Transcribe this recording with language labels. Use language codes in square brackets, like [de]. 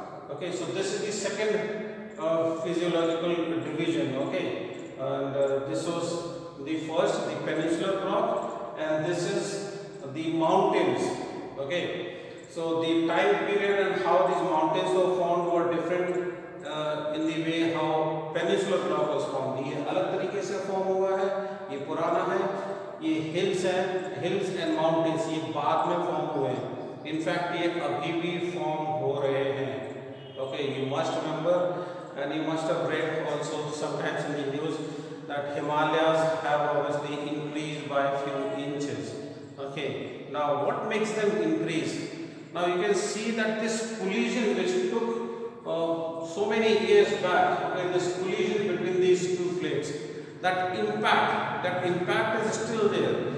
[en] Okay, so this is the second physiological division. Okay. This was the first, the peninsular block, and this is the mountains. Okay, so the time period and how these mountains were formed were different in the way how peninsular block was formed. [hi] ये अलग तरीके से form हुआ है, ये पुराना है, ये hills हैं, [en] hills and mountains [hi] ये बाद में form हुए हैं. [en] In fact, [hi] ये अभी भी form हो रहे हैं. [en] Okay, you must remember. And you must have read also sometimes in the news that Himalayas have obviously increased by a few inches. Okay, now what makes them increase? Now you can see that this collision which took so many years back, okay, this collision between these two plates, that impact is still there.